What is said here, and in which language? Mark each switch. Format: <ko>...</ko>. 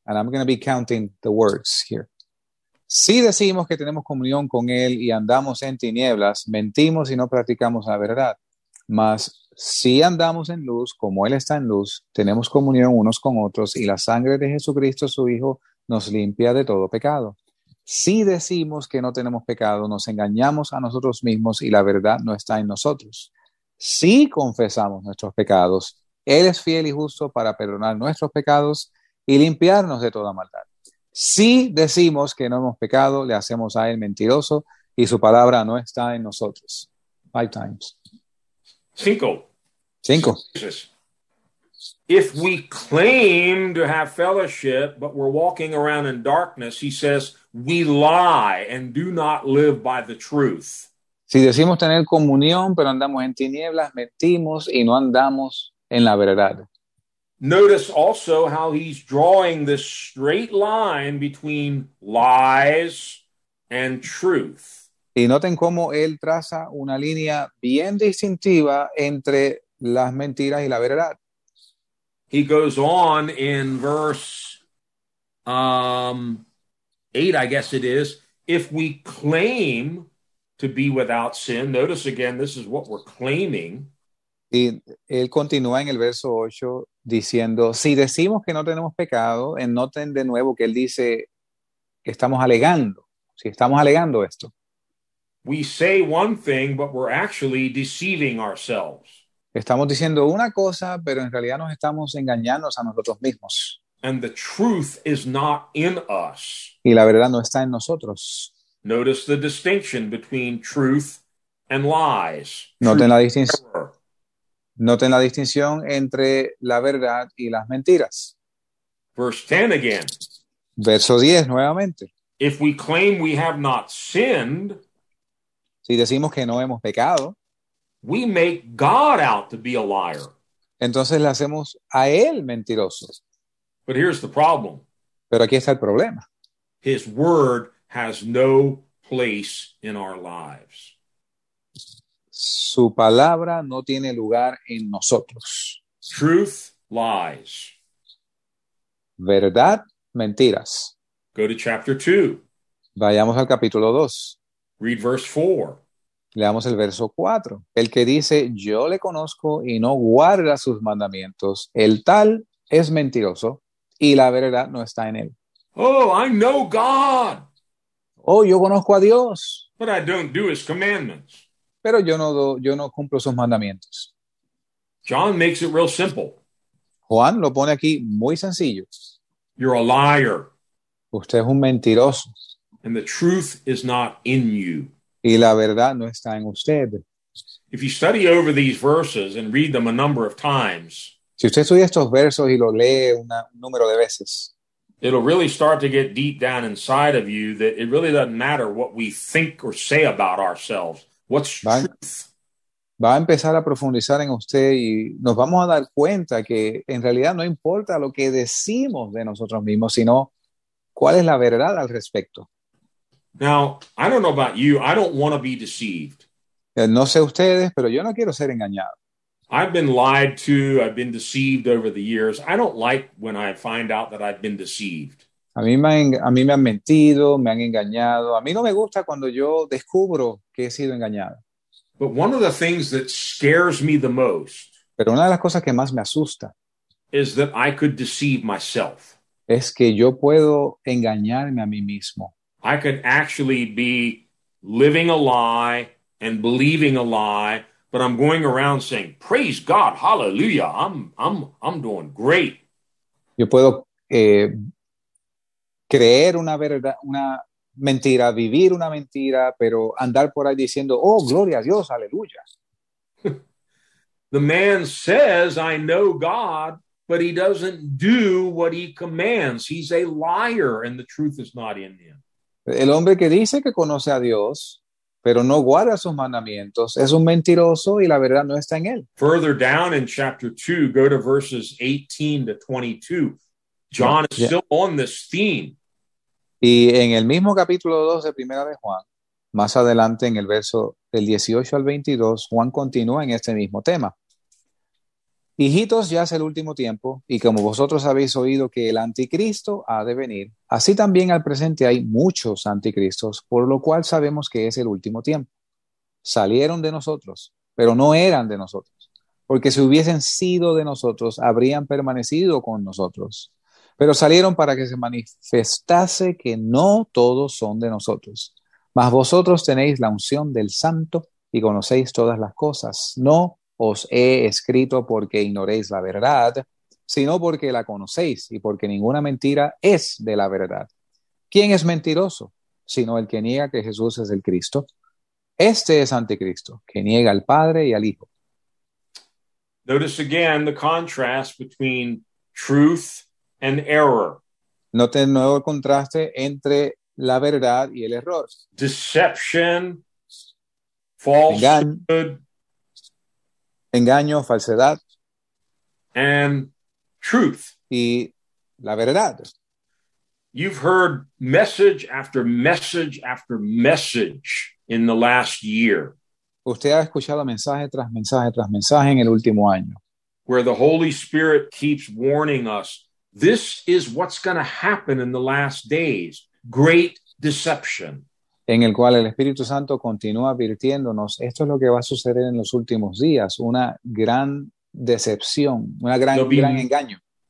<en>And I'm going to be counting the words here.</en> <es>Si decimos que tenemos comunión con Él y andamos en tinieblas, mentimos y no practicamos la verdad. Mas si andamos en luz, como Él está en luz, tenemos comunión unos con otros y la sangre de Jesucristo, su Hijo, nos limpia de todo pecado. Si decimos que no tenemos pecado, nos engañamos a nosotros mismos y la verdad no está en nosotros. Si confesamos nuestros pecados, Él es fiel y justo para perdonar nuestros pecados y limpiarnos de toda maldad. Si decimos que no hemos pecado, le hacemos a Él mentiroso y su palabra no está en nosotros.</es> <en>Five times.</en> <es>Cinco. Cinco.</es> <en>If we claim to have fellowship, but we're walking around in darkness, he says, we lie and do not live by the truth.</en> <es>Si decimos tener comunión, pero andamos en tinieblas, mentimos y no andamos en la verdad.</es> <en>Notice also how he's drawing this straight line between lies and truth.</en> <es>Y noten cómo él traza una línea bien distintiva entre las mentiras y la verdad.</es> <en>He goes on in verse 8, I guess it is. If we claim to be without sin, notice again, this is what we're claiming.</en> <es>Y él continúa en el verso 8 diciendo, si decimos que no tenemos pecado, en noten de nuevo que él dice que estamos alegando, si estamos alegando esto.</es> <en>We say one thing, but we're actually deceiving ourselves.</en> <es>Estamos diciendo una cosa, pero en realidad nos estamos engañando a nosotros mismos.</es> <en>And the truth is not in us.</en> <es>Y la verdad no está en nosotros.</es> <en>Notice the distinction between truth and lies.</en> <es>Noten la distinción entre la verdad y las mentiras.</es> <en>Verse 10 again.</en> <es>Verso 10 nuevamente.</es> <en>If we claim we have not sinned,</en> <es>si decimos que no hemos pecado,</es> <en>we make God out to be a liar.</en> <es>Entonces le hacemos a él mentiroso.</es> <en>But here's the problem.</en> <es>Pero aquí está el problema.</es> <en>His word has no place in our lives.</en> <es>Su palabra no tiene lugar en nosotros.</es> <en>Truth, lies.</en> <es>Verdad, mentiras.</es> <en>Go to chapter 2.</en> <es>Vayamos al capítulo 2.</es> <en>Read verse 4.</en> <es>Leamos el verso 4. El que dice, yo le conozco y no guarda sus mandamientos, el tal es mentiroso y la verdad no está en él.</es> <en>Oh, I know God.</en> <es>Oh, yo conozco a Dios.</es> <en>But I don't do his commandments.</en> <es>Pero yo no cumplo sus mandamientos.</es> <en>John makes it real simple.</en> <es>Juan lo pone aquí muy sencillo.</es> <en>You're a liar.</en> <es>Usted es un mentiroso.</es> <en>And the truth is not in you.</en> <es>Y la verdad no está en usted.</es> <en>If you study over these verses and read them a number of times,</en> <es>si usted estudia estos versos y lo lee un número de veces,</es> <en>it'll really start to get deep down inside of you that it really doesn't matter what we think or say about ourselves. What's truth?</en> <es>Va a empezar a profundizar en usted y nos vamos a dar cuenta que en realidad no importa lo que decimos de nosotros mismos, sino cuál es la verdad al respecto.</es> <en>Now, I don't know about you. I don't want to be deceived.</en> <es>No sé ustedes, pero yo no quiero ser engañado.</es> <en>I've been lied to. I've been deceived over the years. I don't like when I find out that I've been deceived.</en> <es>A mí me han mentido, me han engañado. A mí no me gusta cuando yo descubro que he sido engañado.</es> <en>But one of the things that scares me the most,</en> <es>pero una de las cosas que más me asusta,</es> <en>is that I could deceive myself.</en> <es>Es que yo puedo engañarme a mí mismo.</es> <en>I could actually be living a lie and believing a lie, but I'm going around saying, praise God, hallelujah, I'm doing great.</en> <es>Yo puedo creer una verdad, una mentira, vivir una mentira, pero andar por ahí diciendo, oh, gloria a Dios, aleluya.</es> <en>The man says, I know God, but he doesn't do what he commands. He's a liar, and the truth is not in him.</en> <es>El hombre que dice que conoce a Dios, pero no guarda sus mandamientos, es un mentiroso y la verdad no está en él.</es> <en>Further down in chapter 2, go to verses 18 to 22. John is still on this theme.</en> <es>Y en el mismo capítulo 2 de Primera de Juan, más adelante en el verso del 18 al 22, Juan continúa en este mismo tema. Hijitos, ya es el último tiempo, y como vosotros habéis oído que el anticristo ha de venir, así también al presente hay muchos anticristos, por lo cual sabemos que es el último tiempo. Salieron de nosotros, pero no eran de nosotros, porque si hubiesen sido de nosotros, habrían permanecido con nosotros. Pero salieron para que se manifestase que no todos son de nosotros. Mas vosotros tenéis la unción del Santo y conocéis todas las cosas. No os he escrito porque ignoréis la verdad, sino porque la conocéis y porque ninguna mentira es de la verdad. ¿Quién es mentiroso, sino el que niega que Jesús es el Cristo? Este es anticristo, que niega al Padre y al Hijo.</es> <en>Notice again the contrast between truth and error.</en> <es>Note de nuevo el contraste entre la verdad y el error.</es> <en>Deception, falsehood.</en> <es>Engaño, falsedad.</es> <en>And truth.</en> <es>Y la verdad.</es> <en>You've heard message after message after message in the last year.</en> <es>Usted ha escuchado mensaje tras mensaje tras mensaje en el último año.</es> <en>Where the Holy Spirit keeps warning us, this is what's going to happen in the last days. Great deception.</en> <es>En el cual el Espíritu Santo continúa advirtiéndonos, esto es lo que va a suceder en los últimos días, una gran decepción, una gran, gran engaño.</es>